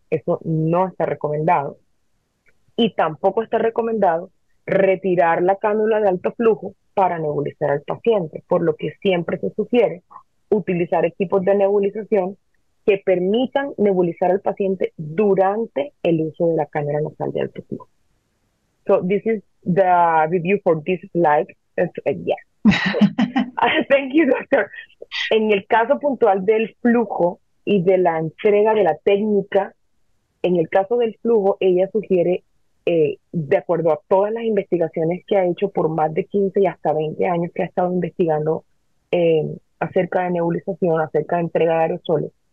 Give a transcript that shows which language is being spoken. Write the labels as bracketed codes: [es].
[es] Eso no está recomendado. Y tampoco está recomendado retirar la cánula de alto flujo para nebulizar al paciente, por lo que siempre se sugiere utilizar equipos de nebulización que permitan nebulizar al paciente durante el uso de la cánula nasal de alto flujo. [en] So, this is the review for this slide. Yes. Yeah. So, thank you, doctor. [es] En el caso puntual del flujo y de la entrega de la técnica, en el caso del flujo, ella sugiere, de acuerdo a todas las investigaciones que ha hecho por más de 15 y hasta 20 años que ha estado investigando acerca de nebulización, acerca de entrega de aerosoles.